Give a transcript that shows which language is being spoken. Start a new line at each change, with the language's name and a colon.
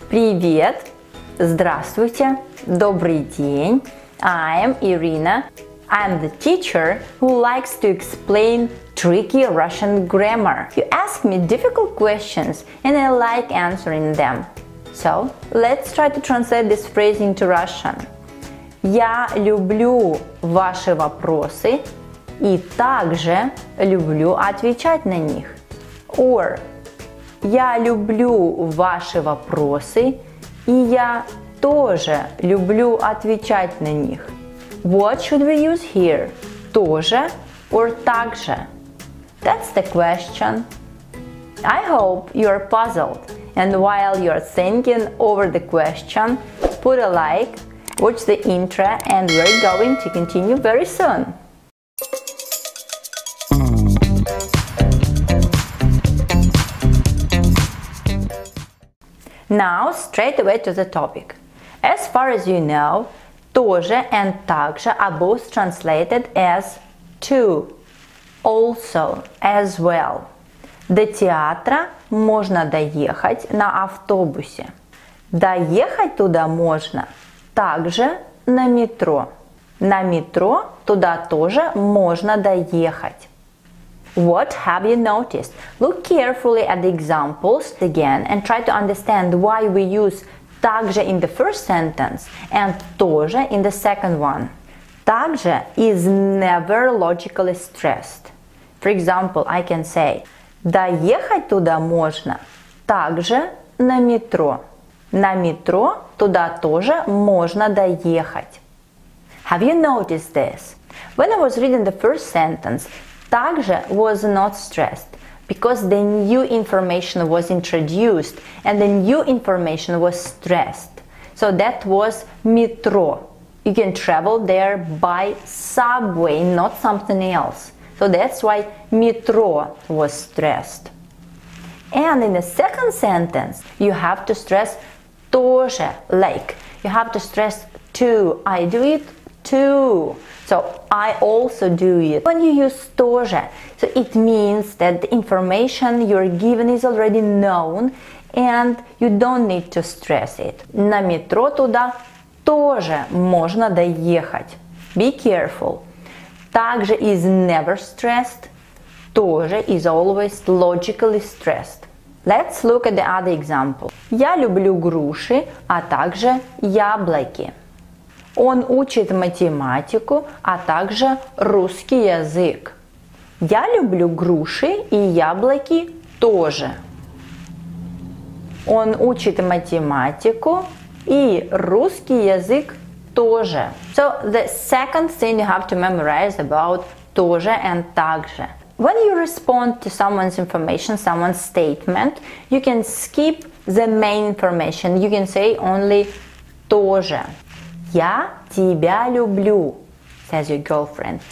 Russian: Привет, здравствуйте, добрый день.
English: I am Irina. I'm the teacher who likes to explain tricky Russian grammar. You ask me difficult questions and I like answering them. So, let's try to translate this phrase into Russian.
Russian: Я люблю ваши вопросы и также люблю отвечать на них. Or, я люблю ваши вопросы и я тоже люблю отвечать на них.
English: What should we use here? Тоже or также? That's the question. I hope you are puzzled. And while you are thinking over the question, put a like, watch the intro, and we're going to continue very soon. Now, straight away to the topic. As far as you know, тоже and также are both translated as to, also, as well.
Russian: До театра можно доехать на автобусе. Доехать туда можно также на метро. На метро туда тоже можно доехать.
English: What have you noticed? Look carefully at the examples again and try to understand why we use также in the first sentence and тоже in the second one. Также is never logically stressed. For example, I can say,
Russian: доехать туда можно также на метро. На метро туда тоже можно доехать.
English: Have you noticed this? When I was reading the first sentence, также was not stressed, because the new information was introduced and the new information was stressed. So that was метро. You can travel there by subway, not something else. So that's why метро was stressed. And in the second sentence, you have to stress тоже, like. You have to stress to. I do it too. So I also do it. When you use тоже, so it means that the information you're given is already known and you don't need to stress it.
Russian: На метро туда тоже можно доехать.
English: Be careful. Также is never stressed, тоже is always logically stressed. Let's look at the other example.
Russian: Я люблю груши, а также яблоки. Он учит математику, а также русский язык. Я люблю груши и яблоки тоже. Он учит математику и русский язык тоже.
English: So the second thing you have to memorize about тоже and также. When you respond to someone's information, someone's statement, you can skip the main information. You can say only тоже.
Russian: Я тебя люблю,
English: says your girlfriend.